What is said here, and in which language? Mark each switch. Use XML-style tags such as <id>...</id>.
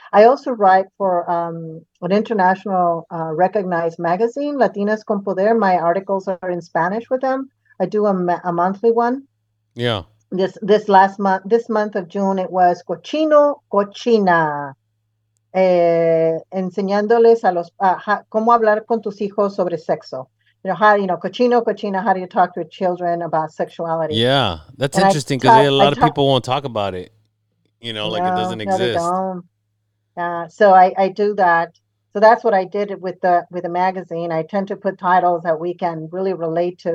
<en>I also write for an international recognized magazine, Latinas con Poder. My articles are in Spanish with them. I do a monthly one. Yeah. This last month, this month of June, it was Cochino Cochina.</en> <es>Enseñándoles a los cómo hablar con tus hijos sobre sexo.</es> <en>You know, cochino, cochina, how do you talk to your children about sexuality? Yeah, that's interesting because a lot of people won't talk about it, you know, like it doesn't exist. They don't. Yeah, so I do that. So that's what I did with the magazine. I tend to put titles that we can really relate to.</en>